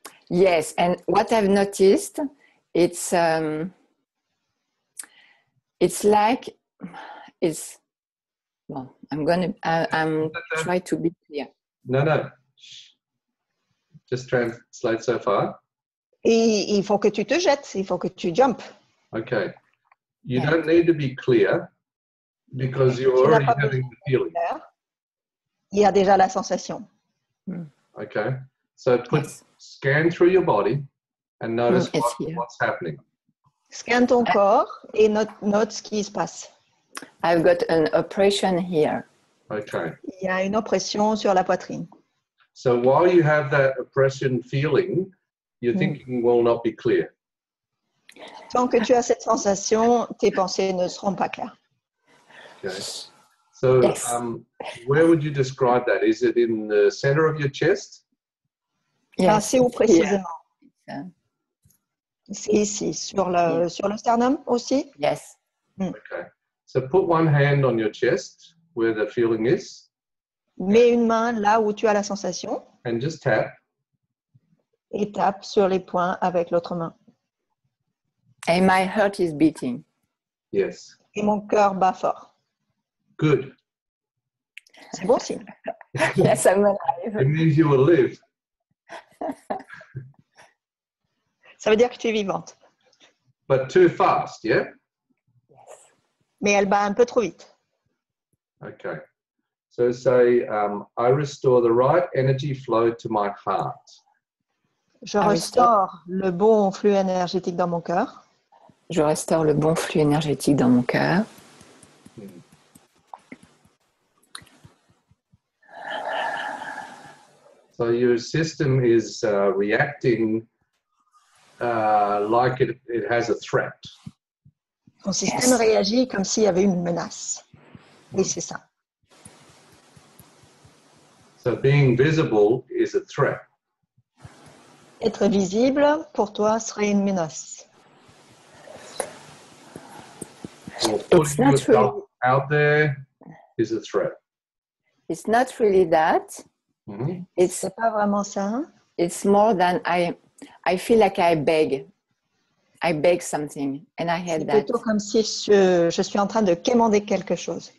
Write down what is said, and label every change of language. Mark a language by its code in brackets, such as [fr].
[en] Yes, and what I've noticed, I'm going to try to be clear. No. just translate so far? [fr] Il faut que tu te jettes, il faut que tu jump. [en] Okay. You don't need to be clear because you're already having the feeling. [fr] Clair. Il y a déjà la sensation. [en] Okay. So put scan through your body and notice what's happening. [fr] Scan ton corps et note ce qui se passe. [en] I've got an oppression here. Okay. [fr] Il y a une oppression sur la poitrine. [en] So while you have that oppression feeling, your thinking will not be clear. [fr] Tant que tu as cette sensation, tes pensées ne seront pas claires. [en] Yes. So, where would you describe that? Is it in the center of your chest? [fr] Yes. C'est où précisément? C'est ici, sur le sternum aussi? [en] Yes. Okay. So, put one hand on your chest, where the feeling is. [fr] Mets une main là où tu as la sensation. [en] And just tap. [fr] Et tape sur les poings avec l'autre main. [en] And my heart is beating. Yes. [fr] Et mon cœur bat fort. [en] Good. [fr] C'est bon signe. [en] Yes, I'm alive. It means you will live. [fr] Ça veut dire que tu es vivante. [en] But too fast, yeah? Yes. [fr] Mais elle bat un peu trop vite. [en] Okay. So say, I restore the right energy flow to my heart. [fr] Je restaure le bon flux énergétique dans mon cœur. Je restaure le bon flux énergétique dans mon cœur. [en] So your system is reacting like it has a threat. [fr] Ton système réagit comme s'il y avait une menace. Oui, c'est ça. [en] So being visible is a threat. [fr] Être visible pour toi serait une menace. [en] It's not really that. [fr] Mm-hmm. C'est pas vraiment ça. [en] It's more than I feel like I beg. I beg something and I had that. [fr] C'est plutôt comme si je suis en train de quémander quelque chose.